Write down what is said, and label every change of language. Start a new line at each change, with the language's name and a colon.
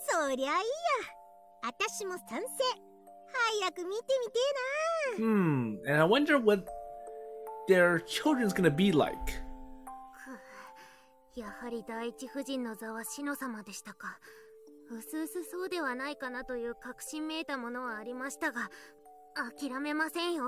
Japanese: そりゃいいや、あたしも賛成。早く見てみてえな。
English: And I wonder what their children's gonna be like.
Japanese: やはり第一夫人の座はシノ様でしたか。うすうすそうではないかなという確信めいたものはありましたが、諦めませんよ。